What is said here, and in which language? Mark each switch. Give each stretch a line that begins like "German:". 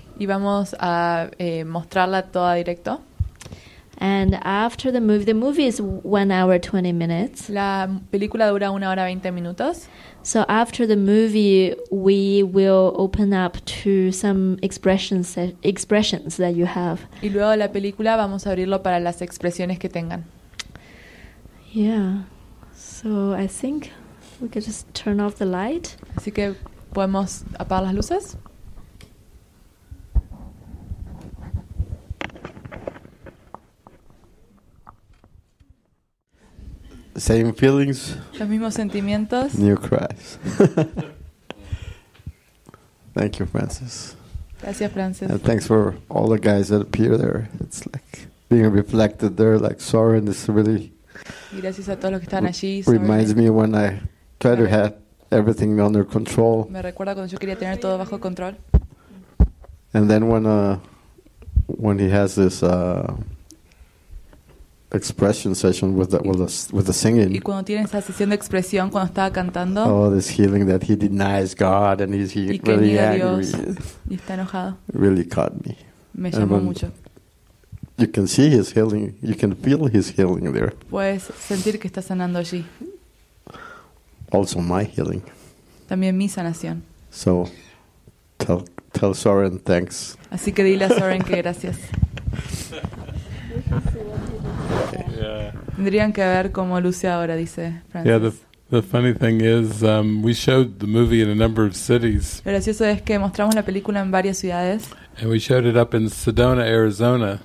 Spanish: Y vamos a mostrarla toda directo.
English: And after the movie is 1 hour 20 minutes.
Spanish: La película dura 1 hora 20 minutos.
English: So after the movie, we will open up to some expressions that you have.
Spanish: Y luego de la película vamos a abrirlo para las expresiones que tengan.
English: Yeah. So I think we could just turn off the light.
Spanish: Así que podemos apagar las luces.
English: Same feelings.
Spanish: Los mismos sentimientos.
English: New cries. Thank you, Frances.
Spanish: Gracias, Frances.
English: And thanks for all the guys that appear there. It's like being reflected there, like Soren is really.
Spanish: Y gracias a todos los que están allí.
English: Reminds me when I try to have everything under control.
Spanish: Me recuerda cuando yo quería tener todo bajo control.
English: And then when he has this. Expression session with the singing.
Spanish: Y cuando tiene esa sesión de expresión cuando estaba cantando.
English: Oh, this healing that he denies God and he's really angry.
Spanish: Y está enojado.
English: Really caught me.
Spanish: Me llamó mucho.
English: You can see his healing. You can feel his healing there.
Spanish: Puedes sentir que está sanando allí.
English: Also my healing.
Spanish: También mi sanación.
English: So, tell Soren thanks.
Spanish: Así que dile a Soren que gracias. Tendrían que ver cómo luce ahora, dice Francis.
English: Yeah, the funny thing is, we showed the movie in a number of cities.
Spanish: Lo gracioso es que mostramos la película en varias ciudades.
English: And we showed it up in Sedona, Arizona.